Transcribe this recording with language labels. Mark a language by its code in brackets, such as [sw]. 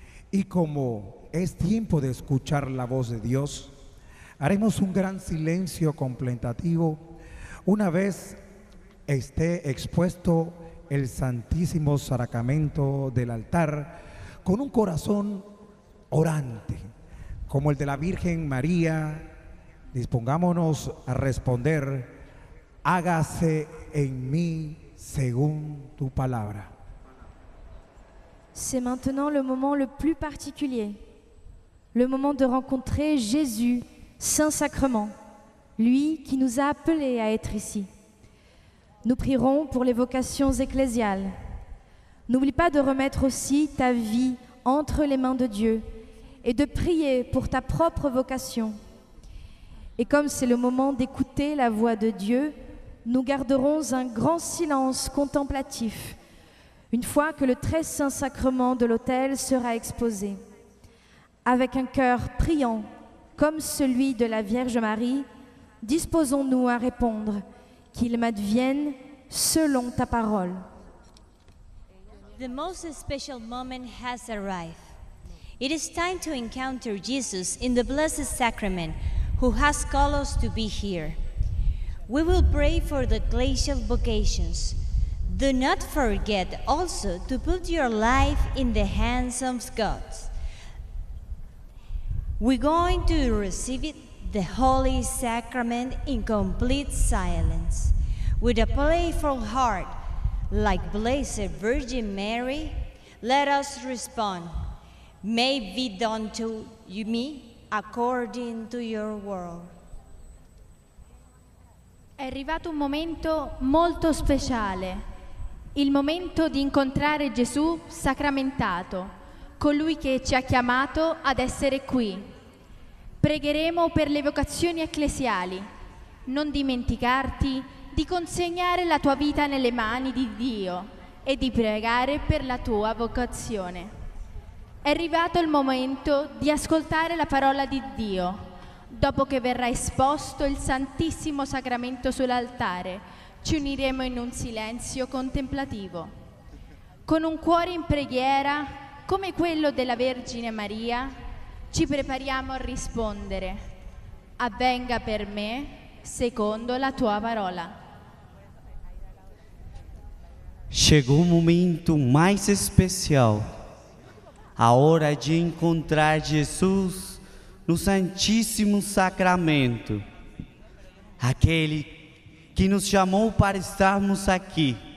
[es] Y como es tiempo de escuchar la voz de Dios, haremos un gran silencio contemplativo una vez esté expuesto el Santísimo Sacramento del altar con un corazón orante, como el de la Virgen María. Dispongámonos a responder, hágase en mí según tu palabra. [fr] C'est maintenant le moment le plus particulier. Le moment de rencontrer Jésus, Saint-Sacrement, lui qui nous a appelés à être ici. Nous prierons pour les vocations ecclésiales. N'oublie pas de remettre aussi ta vie entre les mains de Dieu et de prier pour ta propre vocation. Et comme c'est le moment d'écouter la voix de Dieu, nous garderons un grand silence contemplatif une fois que le très Saint-Sacrement de l'autel sera exposé. Avec un cœur priant, comme celui de la Vierge Marie, disposons-nous à répondre, qu'il m'advienne selon ta parole. [en] The most special moment has arrived. It is time to encounter Jesus in the Blessed Sacrament, who has called us to be here. We will pray for the glacial vocations. Do not forget also to put your life in the hands of God. We're going to receive it, the Holy Sacrament, in complete silence. With a playful heart, like Blessed Virgin Mary, let us respond, "May be done to you, me according to your word." [it] È arrivato un momento molto speciale, il momento di incontrare Gesù sacramentato, colui che ci ha chiamato ad essere qui. Pregheremo per le vocazioni ecclesiali, non dimenticarti di consegnare la tua vita nelle mani di Dio e di pregare per la tua vocazione. È arrivato il momento di ascoltare la parola di Dio, dopo che verrà esposto il Santissimo Sacramento sull'altare, ci uniremo in un silenzio contemplativo. Con un cuore in preghiera, come quello della Vergine Maria, ci prepariamo a rispondere: "Avvenga per me secondo la tua parola." [pt] Chegou o momento mais especial, a hora de encontrar Jesus no Santíssimo Sacramento, aquele que nos chamou para estarmos aqui.